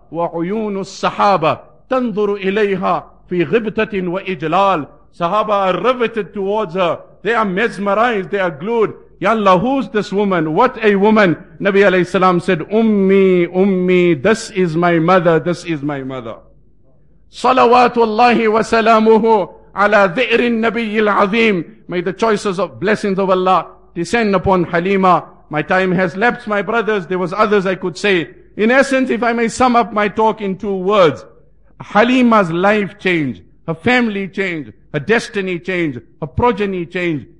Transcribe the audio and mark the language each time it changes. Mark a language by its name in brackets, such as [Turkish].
[Arabic] وَعُيُونُ السَّحَابَةِ تَنْظُرُ إِلَيْهَا فِي غِبْتَةٍ وَإِجْلَالٍ. [English] Sahaba are riveted towards her. They are mesmerized. They are glued. Ya Allah, who's this woman? What a woman. Nabi alayhi salam said, Ummi, this is my mother. This is my mother. [Arabic] صلوات الله وسلامه على ذئر النبي العظيم. [English] May the choices of blessings of Allah descend upon Halima. My time has lapsed, my brothers. There was others I could say. In essence, if I may sum up my talk in two words, Halima's life changed, her family changed, her destiny changed, her progeny changed.